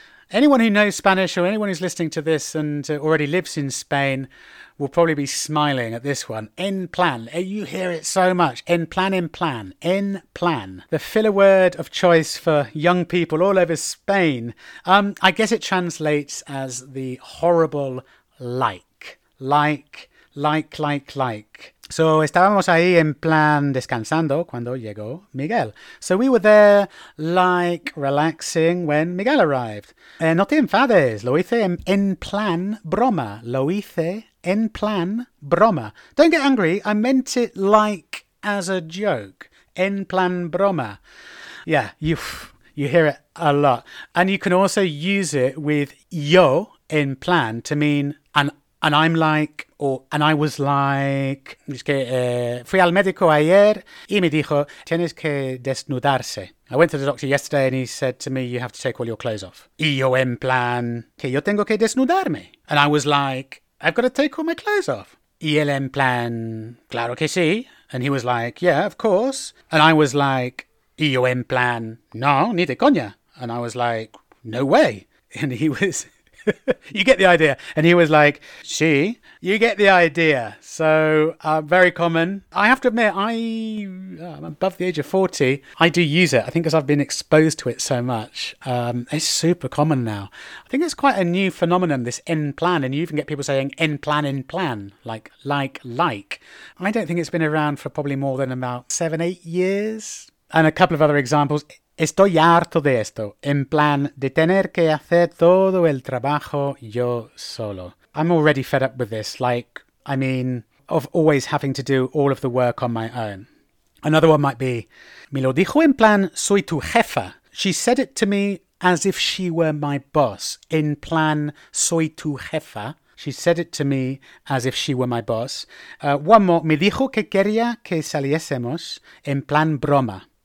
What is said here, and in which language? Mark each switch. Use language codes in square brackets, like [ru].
[en] Anyone who knows Spanish or anyone who's listening to this and already lives in Spain will probably be smiling at this one. En plan. You hear it so much. En plan, en plan. [es] En plan. [en] The filler word of choice for young people all over Spain. I guess it translates as the horrible like. Like, like, like, like. [es] So, estábamos ahí en plan descansando cuando llegó Miguel. [en] So, we were there, like, relaxing when Miguel arrived. [es] No te enfades, lo hice en plan broma. Lo hice en plan broma. [en] Don't get angry, I meant it like as a joke. [es] En plan broma. [en] Yeah, you hear it a lot. And you can also use it with yo en plan to mean and I'm like, or, and I was like, [es] es que fui al médico ayer y me dijo, tienes que desnudarse. [en] I went to the doctor yesterday and he said to me, you have to take all your clothes off. [es] Y yo en plan, que yo tengo que desnudarme. [en] And I was like, I've got to take all my clothes off. [es] Y él en plan, claro que sí. [en] And he was like, yeah, of course. And I was like, [es] y yo en plan, no, ni de coña. [en] And I was like, no way. And he was... You get the idea. And he was like, she? You get the idea. So very common. I have to admit, I'm above the age of 40. I do use it. I think because I've been exposed to it so much. It's super common now. I think it's quite a new phenomenon, this en plan. And you even get people saying en plan, like. I don't think it's been around for probably more than about 7-8 years. And a couple of other examples. [es] Estoy harto de esto, en plan de tener que hacer todo el trabajo yo solo. [en] I'm already fed up with this, like, I mean, of always having to do all of the work on my own. Another one might be, [es] me lo dijo en plan, soy tu jefa. [en] She said it to me as if she were my boss, [es] en plan, soy tu jefa. [en] She said it to me as if she were my boss. One more, [es] me dijo que quería que saliésemos en plan broma.